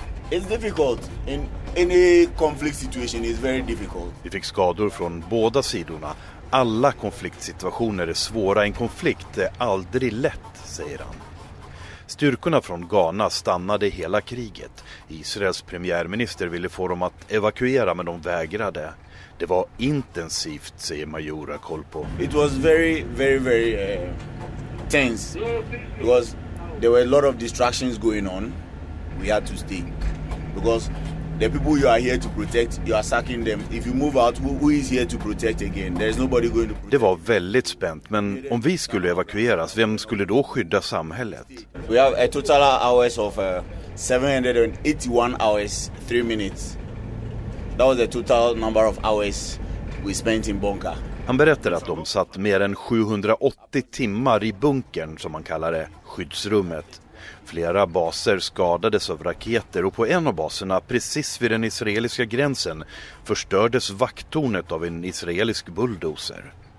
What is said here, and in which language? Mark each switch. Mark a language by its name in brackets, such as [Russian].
[English] It's difficult in any conflict situation, it's very difficult. [Swedish] Vi fick skador från båda sidorna. Alla konfliktsituationer är svåra. En konflikt är aldrig lätt, säger han. Styrkorna från Ghana stannade hela kriget. Israels premiärminister ville få dem att evakuera, men de vägrade. Det var intensivt, säger major Akolpo. [English] It was very, very, very tense. It was, there were a lot of distractions going on. We had to stay. Because the people you are here to protect, you are sacking them. If you move out, who is here to protect again? There's nobody going to protect. [Swedish] Det var väldigt spänt, men om vi skulle evakueras, vem skulle då skydda samhället? [English] We have a total hours of 781 hours, 3 minutes. That was the total number of hours we spent in bunker. [Swedish] Han berättar att de satt mer än 780 timmar i bunkern, som man kallar det, skyddsrummet. Flera baser skadades av raketer och på en av baserna, precis vid den israeliska gränsen, förstördes vakttornet av en israelisk bulldozer.